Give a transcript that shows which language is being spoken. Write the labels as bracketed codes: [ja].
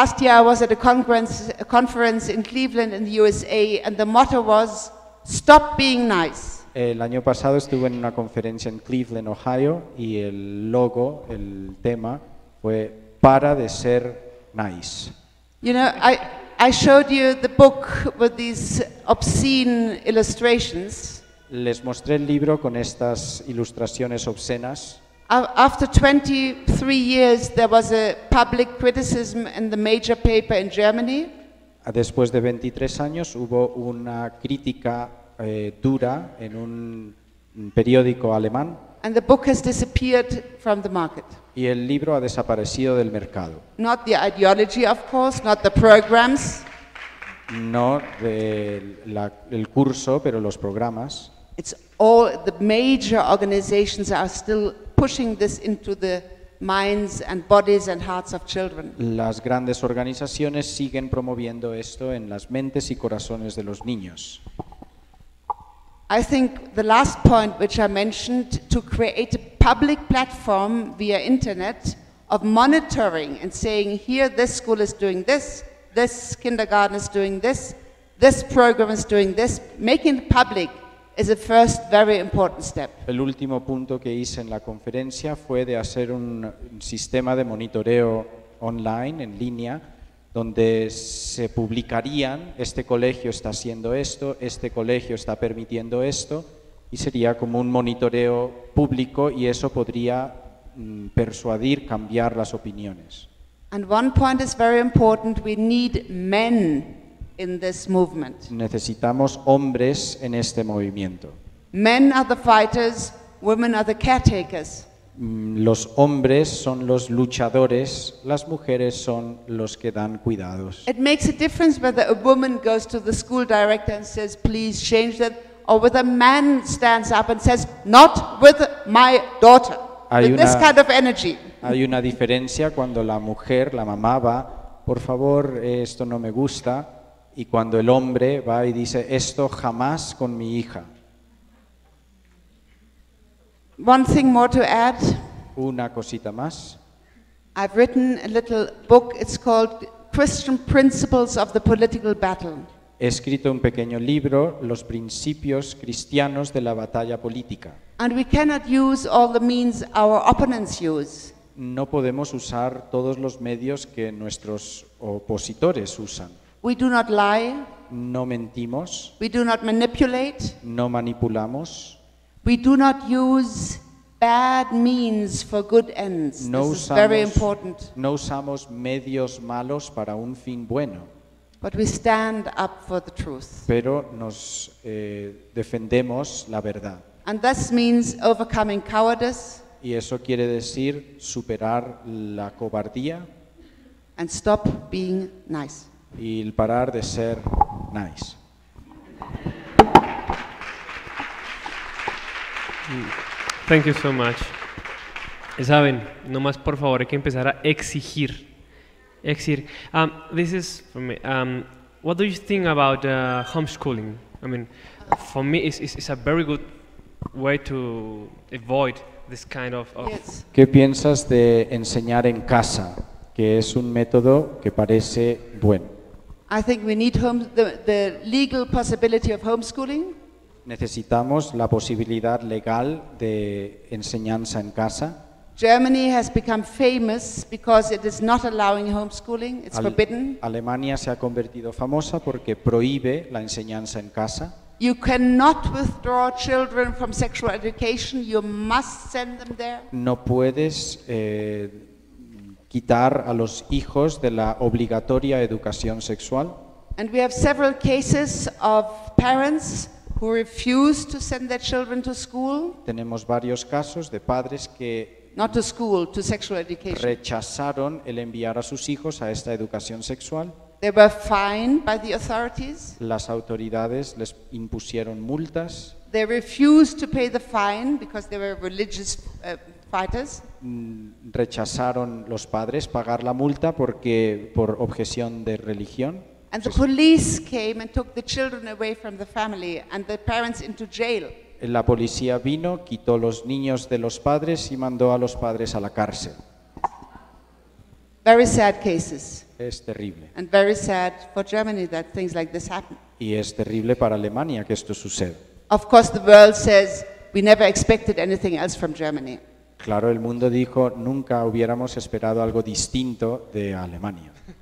[en] Last year I was at a conference in Cleveland in the USA and the motto was stop being nice. [es] El año pasado estuve en una conferencia en Cleveland, Ohio, y el logo, el tema fue para de ser nice. [en] You know, I showed you the book with these obscene illustrations. [es] Les mostré el libro con estas ilustraciones obscenas. [en] After 23 years, there was a public criticism in the major paper in Germany. [es] Después de 23 años, hubo una crítica dura en un periódico alemán. [en] And the book has disappeared from the market. [es] Y el libro ha desaparecido del mercado. [en] Not the ideology, of course, not the programs. [es] No de la, el curso, pero los programas. [en] It's all the major organizations are still pushing this into the minds and bodies and hearts of children. [es] Las grandes organizaciones siguen promoviendo esto en las mentes y corazones de los niños. [en] I think the last point which I mentioned, to create a public platform via internet of monitoring and saying here this school is doing this, this kindergarten is doing this, this program is doing this, making it public. Is a first very important step. [es] El último punto que hice en la conferencia fue de hacer un sistema de monitoreo online, en línea, donde se publicarían, este colegio está haciendo esto, este colegio está permitiendo esto, y sería como un monitoreo público y eso podría persuadir, cambiar las opiniones. [en] And one point is very important, we need men in this movement. [es] Necesitamos hombres en este movimiento. [en] Men are the fighters, women are the caretakers. [es] Los hombres son los luchadores, las mujeres son los que dan cuidados. [en] It makes a difference whether a woman goes to the school director and says, "Please change that," or whether a man stands up and says, "Not with my daughter." [es] Hay [en] with [es] una, [en] this kind of energy. [es] Hay una diferencia cuando la mujer, la mamá va, "Por favor, esto no me gusta." Y cuando el hombre va y dice, esto jamás con mi hija. [en] One thing more to add. [es] Una cosita más. [en] I've written a little book, it's called Christian Principles of the Political Battle. [es] He escrito un pequeño libro, Los Principios Cristianos de la Batalla Política. [en] And we cannot use all the means our opponents use. [es] No podemos usar todos los medios que nuestros opositores usan. [en] We do not lie. [es] No mentimos. [en] We do not manipulate. [es] No manipulamos. [en] We do not use bad means for good ends. [es] No [en] this [es] usamos, [en] is very important. [es] No usamos medios malos para un fin bueno. [en] But we stand up for the truth. [es] Pero nos defendemos la verdad. [en] And this means overcoming cowardice. [es] Y eso quiere decir superar la cobardía. [en] And stop being nice. [es] Y el parar de ser nice. [en] Thank you so much. [es] Saben, nomás por favor hay que empezar a exigir. [en] Exigir. This is for me. What do you think about homeschooling? I mean, for me it's a very good way to avoid this kind of yes. [es] ¿Qué piensas de enseñar en casa? Que es un método que parece bueno. [en] I think we need the legal possibility of homeschooling. [es] Necesitamos la posibilidad legal de enseñanza en casa. [en] Germany has become famous because it is not allowing homeschooling. It's forbidden. [es] Alemania se ha convertido famosa porque prohíbe la enseñanza en casa. [en] You cannot withdraw children from sexual education. You must send them there. [es] No puedes quitar a los hijos de la obligatoria educación sexual. [en] And we have several cases of parents who refuse to send their children to school. [es] Tenemos varios casos de padres que [en] not to school, to sexual education. [es] Rechazaron el enviar a sus hijos a esta educación sexual. [en] They were fined by the authorities. [es] Las autoridades les impusieron multas. [en] They refused to pay the fine because they were religious fighters. [es] Rechazaron los padres pagar la multa porque por objeción de religión. [en] And the police came and took the children away from the family and the parents into jail. [es] La policía vino, quitó los niños de los padres y mandó a los padres a la cárcel. [en] Very sad cases. [es] Es terrible. [en] And very sad for Germany that things like this happen. [es] Y es terrible para Alemania que esto suceda. [en] Of course the world says we never expected anything else from Germany. [es] Claro, el mundo dijo, nunca hubiéramos esperado algo distinto de Alemania.